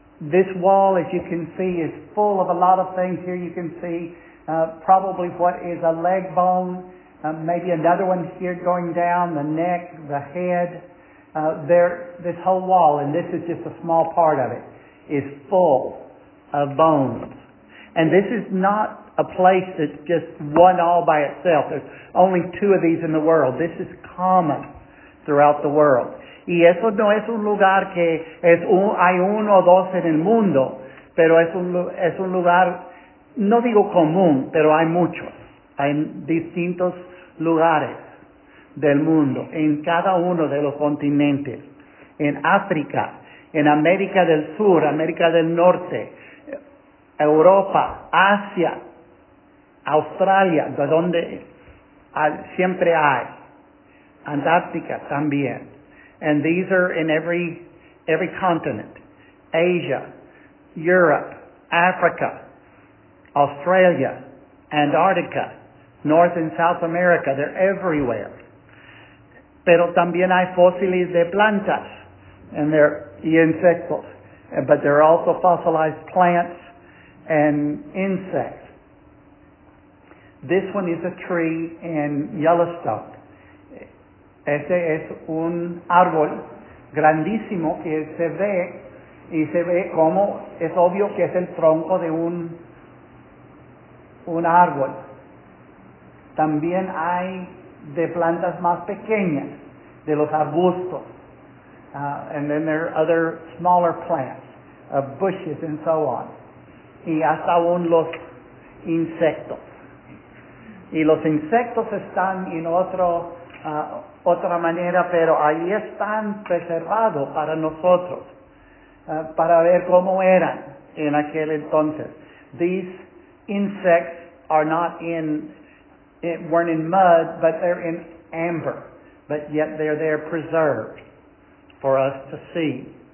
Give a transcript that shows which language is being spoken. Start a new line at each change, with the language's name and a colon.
English: This wall, as you can see, is full of a lot of things. Here you can see probably what is a leg bone, maybe another one here going down, the neck, the head. This whole wall, and this is just a small part of it, is full of bones. And this is not a place that's just one all by itself. There's only two of these in the world. This is common throughout the world.
Spanish: Y eso no es un lugar que es hay uno o dos en el mundo, pero es un lugar, no digo común, pero hay muchos. Hay distintos lugares del mundo, en cada uno de los continentes. En África, en América del Sur, América del Norte, Europa, Asia, Australia, de donde siempre hay. Antártica también.
English: And these are in every continent, Asia, Europe, Africa, Australia, Antarctica, North and South America. They're everywhere.
Spanish: Pero también hay fósiles de plantas y insectos.
English: But there are also fossilized plants and insects. This one is a tree in Yellowstone.
Spanish: Este es un árbol grandísimo que se ve Y se ve como es obvio que es el tronco de un árbol. También hay de plantas más pequeñas, de los arbustos. And then there are other smaller plants, of bushes and so on. Y hasta aún los insectos. Y los insectos están en otra manera, pero ahí están preservados para nosotros, para ver cómo eran en aquel entonces.
English: These insects are not weren't in mud, but they're in amber. But yet they're there preserved for us to see.